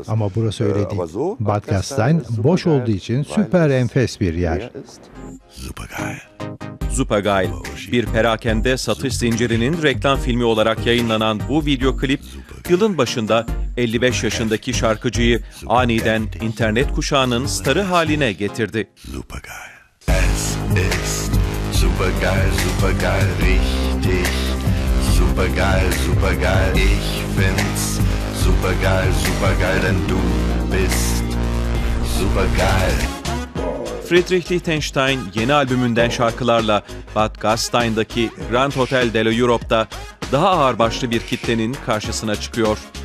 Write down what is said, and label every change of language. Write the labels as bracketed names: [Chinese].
[Turkish] Ama burası öyle değil. Bad Gastein boş olduğu için süper enfes bir yer. Supergeil, bir perakende satış zincirinin reklam filmi olarak yayınlanan bu video klip, yılın başında 55 yaşındaki şarkıcıyı aniden internet kuşağının starı haline getirdi. [German] Supergeil. Es ist supergeil, supergeil, richtig supergeil, supergeil. Ich find's supergeil, supergeil, denn du bist supergeil. [Turkish] Friedrich Liechtenstein yeni albümünden şarkılarla Bad Gastein'daki Grand Hotel de l'Europe'da daha ağırbaşlı bir kitlenin karşısına çıkıyor.